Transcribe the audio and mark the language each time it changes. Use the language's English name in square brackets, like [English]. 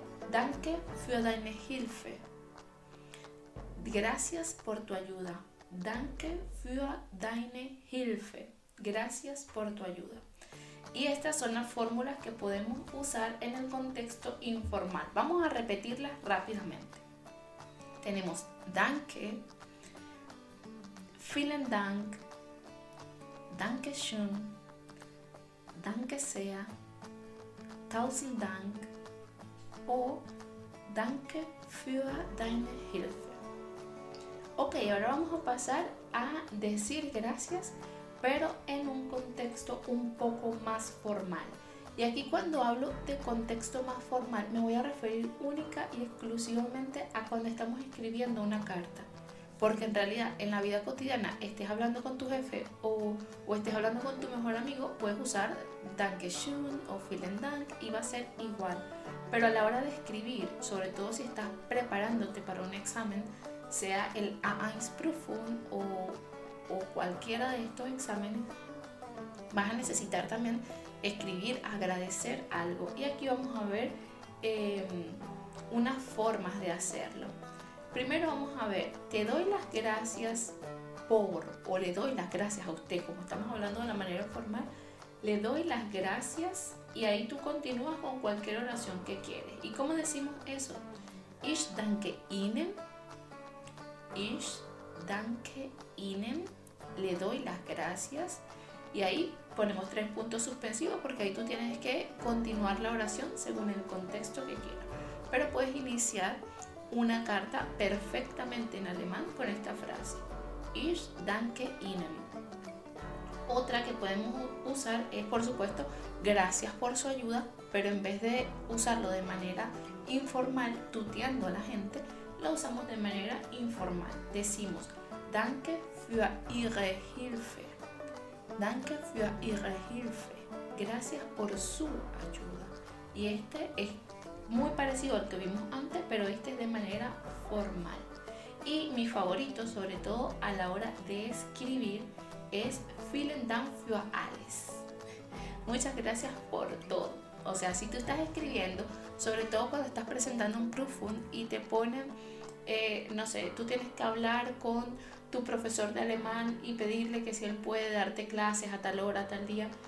[German] Danke für deine Hilfe. [Spanish] Gracias por tu ayuda. [German] Danke für deine Hilfe. [Spanish] Gracias por tu ayuda. Y estas son las fórmulas que podemos usar en el contexto informal. Vamos a repetirlas rápidamente. Tenemos [German] danke, vielen Dank, danke schön, danke sehr, tausend Dank [Spanish] o [German] danke für deine Hilfe. [Spanish] Ok, ahora vamos a pasar a decir gracias, pero en un contexto un poco más formal. Y aquí cuando hablo de contexto más formal, me voy a referir única y exclusivamente a cuando estamos escribiendo una carta. Porque en realidad, en la vida cotidiana, estés hablando con tu jefe o estés hablando con tu mejor amigo, puedes usar [German] danke schön [Spanish] o [German] vielen Dank [Spanish] y va a ser igual. Pero a la hora de escribir, sobre todo si estás preparándote para un examen, sea el A1-Prüfung o cualquiera de estos exámenes, vas a necesitar también escribir, agradecer algo. Y aquí vamos a ver unas formas de hacerlo. Primero vamos a ver, te doy las gracias por, o le doy las gracias a usted, como estamos hablando de la manera formal, le doy las gracias y ahí tú continúas con cualquier oración que quieres. ¿Y cómo decimos eso? [German] Ich danke Ihnen, ich danke Ihnen, [Spanish] le doy las gracias. Y ahí ponemos tres puntos suspensivos porque ahí tú tienes que continuar la oración según el contexto que quieras. Pero puedes iniciar una carta perfectamente en alemán con esta frase. [German] Ich danke Ihnen. [Spanish] Otra que podemos usar es, por supuesto, gracias por su ayuda, pero en vez de usarlo de manera informal, tuteando a la gente, lo usamos de manera informal. Decimos, [German] danke für Ihre Hilfe. Danke für Ihre Hilfe. [Spanish] Gracias por su ayuda. Y este es muy parecido al que vimos antes, pero este es de manera formal. Y mi favorito, sobre todo a la hora de escribir, es [German] Vielen Dank für alles. [Spanish] Muchas gracias por todo. O sea, si tú estás escribiendo, sobre todo cuando estás presentando un Prüfung y te ponen, no sé, tú tienes que hablar con tu profesor de alemán y pedirle que si él puede darte clases a tal hora, a tal día.